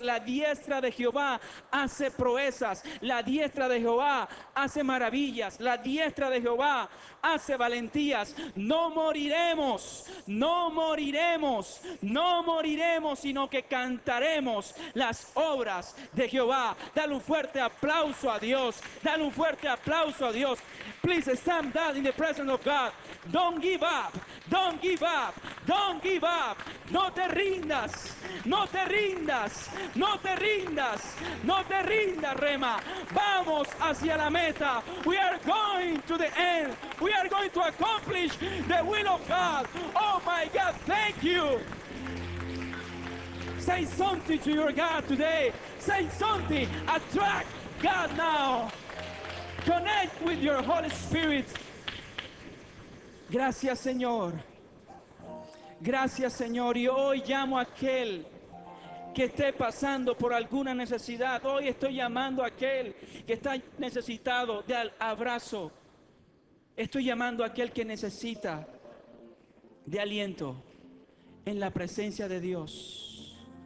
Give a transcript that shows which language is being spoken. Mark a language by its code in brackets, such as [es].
[es] La diestra de Jehová hace proezas, la diestra de Jehová hace maravillas, la diestra de Jehová hace valentías. No moriremos, no moriremos, no moriremos, sino que cantaremos las obras de Jehová. Dale un fuerte aplauso a Dios, dale un fuerte aplauso a Dios. [en] Please stand up in the presence of God. Don't give up, don't give up, don't give up. [es] No te rindas, no te rindas, no te rindas, no te rindas, Rema. Vamos hacia la meta. [en] We are going to the end. We are going to accomplish the will of God. Oh my God, thank you. Say something to your God today. Say something. Attract God now. Connect with your Holy Spirit. [es] Gracias, Señor. Gracias, Señor. Y hoy llamo a aquel que esté pasando por alguna necesidad. Hoy estoy llamando a aquel que está necesitado de abrazo. Estoy llamando a aquel que necesita de aliento en la presencia de Dios.